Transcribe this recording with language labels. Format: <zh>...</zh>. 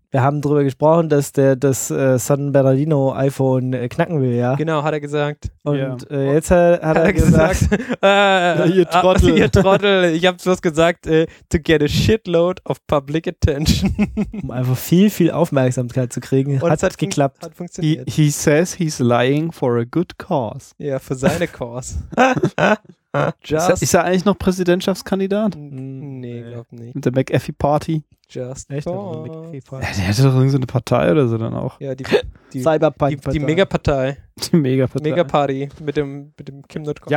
<de>Wir haben drüber gesprochen, dass der das San Bernardino iPhone knacken will, ja? Genau, hat er gesagt. Und jetzt hat er gesagt ihr Trottel, ich hab's bloß gesagt,</de> <en>to get a shitload of public attention.</en> <de>Um einfach viel, viel Aufmerksamkeit zu kriegen. Und hat geklappt. Hat funktioniert.</de> <en>He says he's lying for a good cause.</en> <de>Ja, für seine Cause. Ist er eigentlich noch Präsidentschaftskandidat? Nee, glaub nicht. Mit der McAfee Party?</de> <en>Just</en> <de>McAfee Party. Ja, der hätte doch irgendeine Partei oder so dann auch. Ja, die Cyberpunk. Die Megapartei. Die Megapartei. Megaparty mit dem Kim.com.</de>